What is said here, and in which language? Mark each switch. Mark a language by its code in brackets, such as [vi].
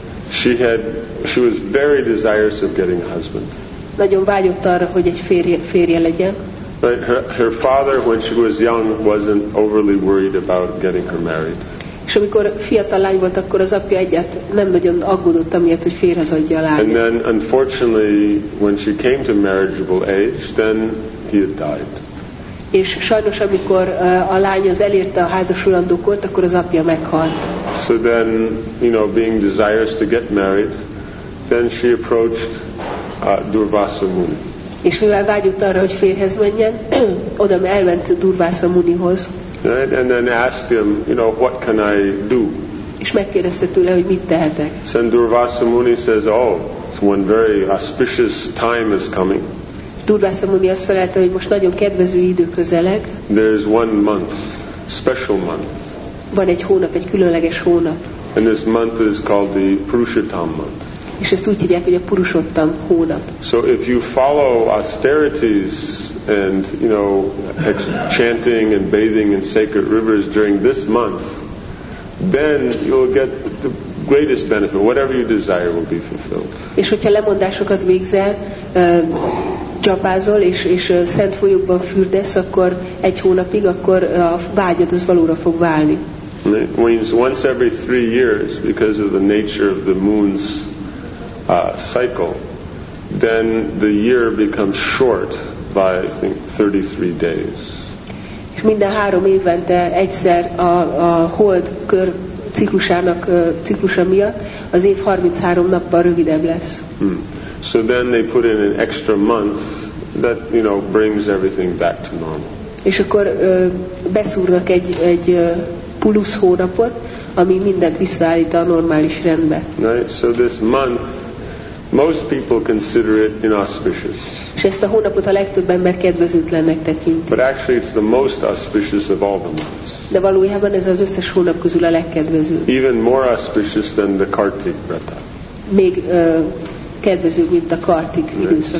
[en] She was very desirous of getting a husband. [hu] Nagyon vágyott arra, hogy egy férje legyen. [en] But her father, when she was young, wasn't overly worried about getting her married. [hu] És amikor fiatal lány volt, akkor az apja egyet nem nagyon aggódott amiatt, hogy férhez adja a lányát. [en] And then, unfortunately, when she came to marriageable age, then he had died. [hu] És sajnos, amikor a lány az elérte a házasulandó kort, akkor az apja meghalt. [en] So then, you know, being desirous to get married, then she approached Durvasa Muni. [hu] És mivel vágyott arra, hogy férhez menjen, oda elment Durvasa Munihoz. [en] Right? And then asked him, you know, what can I do? [hu] És megkérdezte tőle, hogy mit tehetek. [en] So Durvasa Muni says, oh, it's one very auspicious time is coming. [hu] Durvasa Muni azt felelte, hogy most nagyon kedvező idő közeleg. [en] There is one month, special month. [hu] Van egy hónap, egy különleges hónap. [en] And this month is called the Purushottam month. [hu] és ezt úgy hívják, hogy a Purushottam hónap. [en] So if you follow austerities and, you know, chanting and bathing in sacred rivers during this month, then you'll get the greatest benefit. Whatever you desire will be fulfilled. [hu] És hogyha lemondásokat végzel, csapázol és szent folyókban fürdesz, akkor egy hónapig, akkor a vágyad az valóra fog válni. [en] It means once every 3 years, because of the nature of the moon's cycle, then the year becomes short by, I think, 33 days. [hu] És minden három évente egyszer a hold kör ciklusának ciklusa miatt az év 33 nappal rövidebb lesz. Hmm. [en] So then they put in an extra month that, you know, brings everything back to normal. [hu] És akkor beszúrnak egy plusz hónapot, ami mindent visszaállít a normális rendbe. [en] Right? So this month, most people consider it inauspicious. [hu] És ezt a hónapot a legtöbb ember kedvezőtlennek tekint. [en] But actually it's the most auspicious of all the months. [hu] De valójában ez az összes hónap közül a legkedvezőbb. [en] Even more auspicious than the Kartik Vrata. [hu] Még kedvezőbb, mint a Kartik időszak.